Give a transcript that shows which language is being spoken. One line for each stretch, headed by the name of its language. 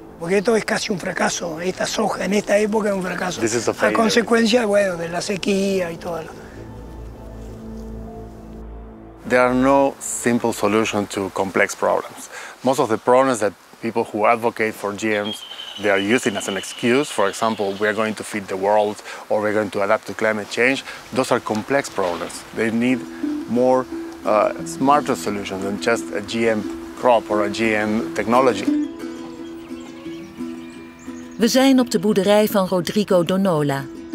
Spanish: Porque esto es casi un fracaso, esta soja en esta época es un fracaso.
English: This is a failure.
Spanish: A consecuencia, bueno, de la sequía y todo.
English: There are no simple solutions to complex problems. Most of the problems that people who advocate for GMs, they are using as an excuse, for example, we are going to feed the world or we are going to adapt to climate change. Those are complex problems. They need more smarter solutions than just a GM crop or a GM technology.
Dutch: We zijn op de boerderij van Rodrigo Donola.